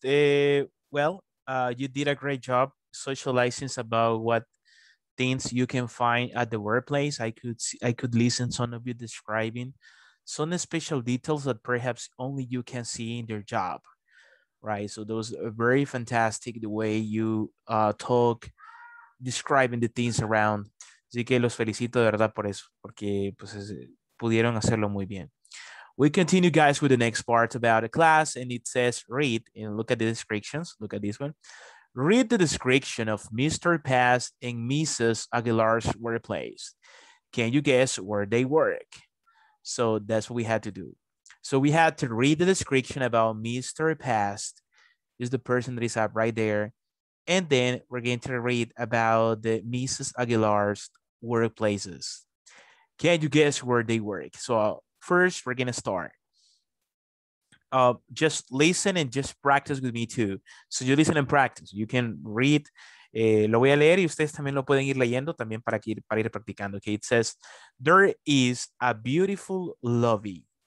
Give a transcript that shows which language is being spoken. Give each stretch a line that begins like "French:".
English: You did a great job socializing about what things you can find at the workplace. I could listen to some of you describing some special details that perhaps only you can see in your job, right? So those are very fantastic the way you talk, describing the things around.
Spanish: Así que los felicito de verdad por eso, porque pues pudieron hacerlo muy bien.
English: We continue, guys, with the next part about a class, and it says read, and look at the descriptions, look at this one. Read the description of Mr. Paz and Mrs. Aguilar's workplace. Can you guess where they work? So that's what we had to do. So we had to read the description about Mr. Paz, is the person that is up right there. And then we're going to read about the Mrs. Aguilar's workplaces. Can you guess where they work? So first, we're going to start. Just listen and just practice with me too. So you listen and practice. You can read.
Spanish: Lo voy a leer y ustedes también lo pueden ir leyendo también para ir practicando.
English: Okay, it says, there is a beautiful lobby.